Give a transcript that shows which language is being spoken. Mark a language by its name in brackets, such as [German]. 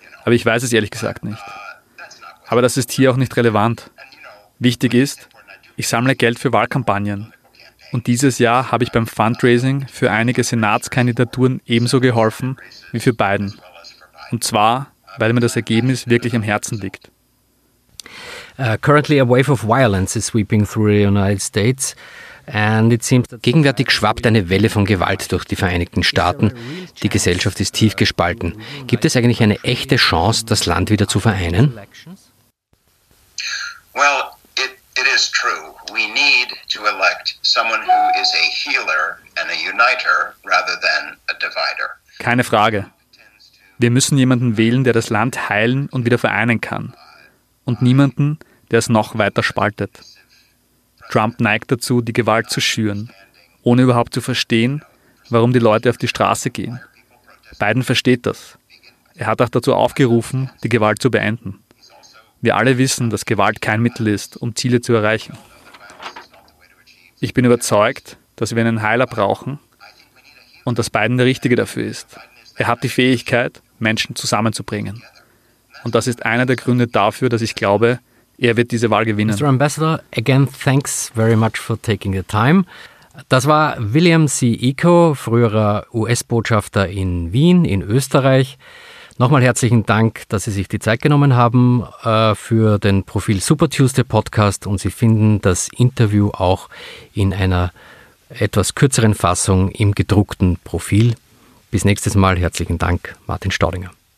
[German] Aber ich weiß es ehrlich gesagt nicht. Aber das ist hier auch nicht relevant. Wichtig ist, ich sammle Geld für Wahlkampagnen. Und dieses Jahr habe ich beim Fundraising für einige Senatskandidaturen ebenso geholfen wie für Biden. Und zwar, weil mir das Ergebnis wirklich am Herzen liegt. [English] Currently a wave of violence is sweeping through the United States. And it seems that [German] gegenwärtig schwappt eine Welle von Gewalt durch die Vereinigten Staaten. Die Gesellschaft ist tief gespalten. Gibt es eigentlich eine echte Chance, das Land wieder zu vereinen? [English] Well, it is true. We need to elect someone who is a healer and a uniter rather than a divider. [German] Keine Frage. Wir müssen jemanden wählen, der das Land heilen und wieder vereinen kann. Und niemanden, der es noch weiter spaltet. Trump neigt dazu, die Gewalt zu schüren, ohne überhaupt zu verstehen, warum die Leute auf die Straße gehen. Biden versteht das. Er hat auch dazu aufgerufen, die Gewalt zu beenden. Wir alle wissen, dass Gewalt kein Mittel ist, um Ziele zu erreichen. Ich bin überzeugt, dass wir einen Heiler brauchen und dass Biden der Richtige dafür ist. Er hat die Fähigkeit, Menschen zusammenzubringen. Und das ist einer der Gründe dafür, dass ich glaube, er wird diese Wahl gewinnen. [English] Mr. Ambassador, again, thanks very much for taking the time. [German] Das war William C. Eco, früherer US-Botschafter in Wien, in Österreich. Nochmal herzlichen Dank, dass Sie sich die Zeit genommen haben für den Profil Super Tuesday Podcast. Und Sie finden das Interview auch in einer etwas kürzeren Fassung im gedruckten Profil. Bis nächstes Mal. Herzlichen Dank, Martin Staudinger.